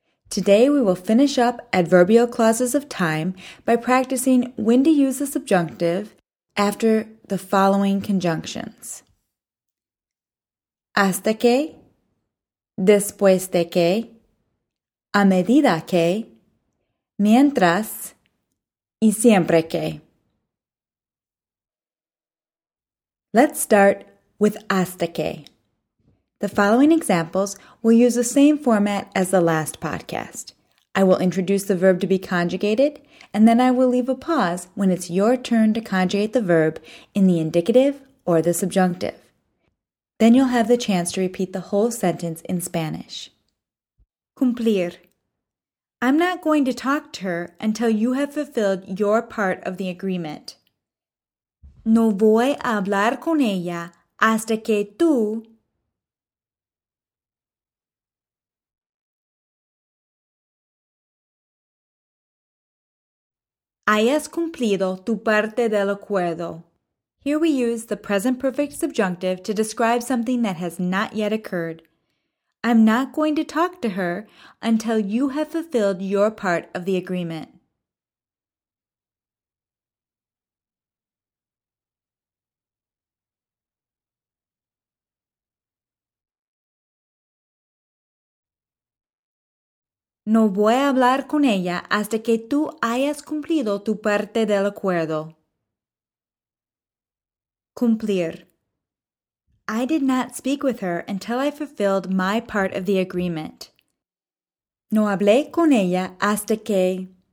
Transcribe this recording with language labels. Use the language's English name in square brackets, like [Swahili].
[English] Today we will finish up adverbial clauses of time by practicing when to use the subjunctive after the following conjunctions. [Spanish] Hasta que, después de que, a medida que, mientras, y siempre que. [English] Let's start with hasta que. The following examples will use the same format as the last podcast. I will introduce the verb to be conjugated, and then I will leave a pause when it's your turn to conjugate the verb in the indicative or the subjunctive. Then you'll have the chance to repeat the whole sentence in Spanish. [Spanish] Cumplir. [English] I'm not going to talk to her until you have fulfilled your part of the agreement. [Spanish] No voy a hablar con ella hasta que tú... hayas cumplido tu parte del acuerdo. [English] Here we use the present perfect subjunctive to describe something that has not yet occurred. I'm not going to talk to her until you have fulfilled your part of the agreement. [Spanish] No voy a hablar con ella hasta que tú hayas cumplido tu parte del acuerdo. Cumplir. [English] I did not speak with her until I fulfilled my part of the agreement. [Spanish] No hablé con ella hasta que...